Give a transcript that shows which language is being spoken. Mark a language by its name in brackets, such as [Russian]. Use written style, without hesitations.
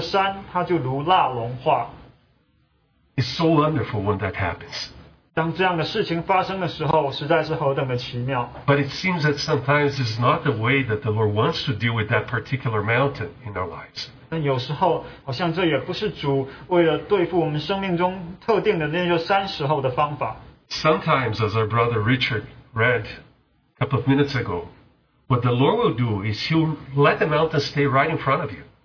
[Chinese] 有时候主没有把山挪开，而是在主的面、主的同在里面，这座山它就如蜡融化。 [English] It's so wonderful when that happens. [Chinese] 当这样的事情发生的时候，实在是何等的奇妙。 [English] But it seems that sometimes it's not the way that the Lord wants to deal with that particular mountain in our lives. [Chinese] 但有时候好像这也不是主为了对付我们生命中特定的那座山时候的方法。 [English] Sometimes, as our brother Richard read a couple of minutes ago, what the Lord will do is He'll let the mountain stay right in front of you.